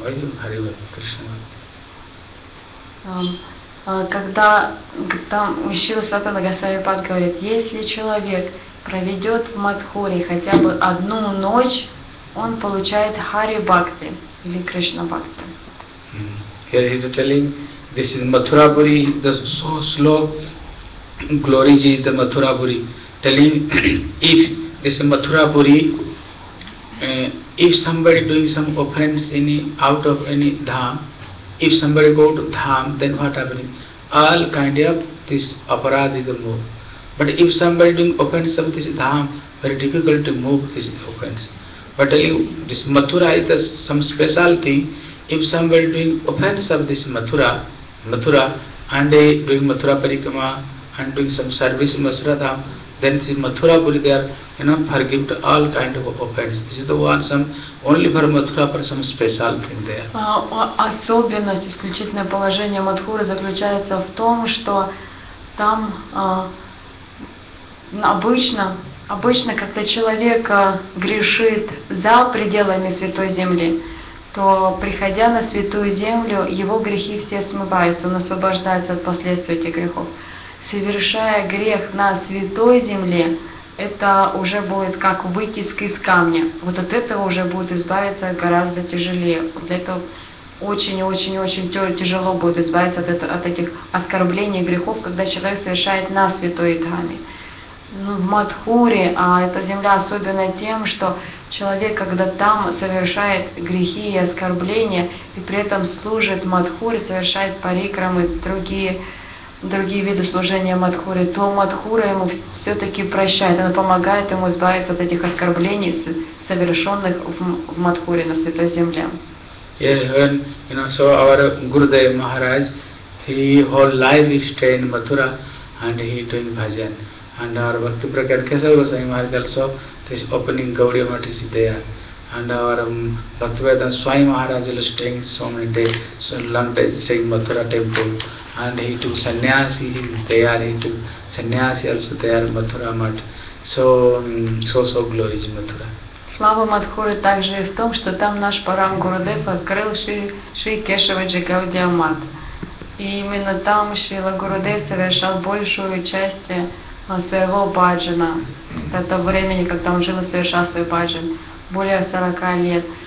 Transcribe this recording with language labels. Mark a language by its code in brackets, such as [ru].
[en] Why do Hari Bhakti Krishna Bhakti? [ru] Когда Шрила Сатана Госвами Пад говорит, если человек проведет в Мадхуре хотя бы одну ночь, он получает Хари Бхакти или Кришна Бхакти. [en] Here he is telling, this is Mathurapuri, the so slow glory ji is the Mathurapuri. Telling, if this Mathurapuri, if somebody doing some offense any out of any dham, if somebody go to dham, then what happening? All kind of this aparadhi is move. But if somebody doing offense of this dham, very difficult to move this offense. But tell you, this Mathura is the, some special thing. If somebody doing offense of this Mathura, and they doing Mathura Parikama, and doing some service in Mathura dham, then this Mathura Puri there, you know, forgive to all kind of offense. This is the one, some, only for Mathura, for some special thing there. [ru] Особенность, исключительное положение Мадхуры заключается в том, что там обычно, когда человек грешит за пределами Святой Земли, то приходя на Святую Землю, его грехи все смываются, он освобождается от последствий этих грехов. Совершая грех на Святой Земле, это уже будет как вытиск из камня. Вот от этого уже будет избавиться гораздо тяжелее. Вот это очень-очень-очень тяжело будет избавиться от этих оскорблений грехов, когда человек совершает на Святой Дхаме. Ну, в Мадхуре, а эта земля особенна тем, что человек, когда там совершает грехи и оскорбления, и при этом служит Мадхуре, совершает парикрамы, другие виды служения Мадхуре, то Мадхура ему все-таки прощает, она помогает ему избавиться от этих оскорблений, совершенных в Мадхуре на Святой Земле. [en] Yes, when, you know, so our Gurudev Maharaj, he whole life is stay in Mathura and he doing bhajan. And our Bhakti Prakat Kesar Goswami Maharaj also, this opening Gaudiya Math is there. And our Bhakti Vedan Swami Maharaj is staying so many days, so long days, staying in Mathura temple. And he took sannyasi, he is there, he took sannyasi also there, Mathura Math. So glorious in Mathura. [ru] Слава Мадхуры также и в том, что там наш Парам Гурудев открыл Шри Кешаваджи Гаудия Мат. И именно там Шрила Гурудев совершал большую часть своего баджана. Это времени, когда он жил и совершал свой баджан, более 40 лет.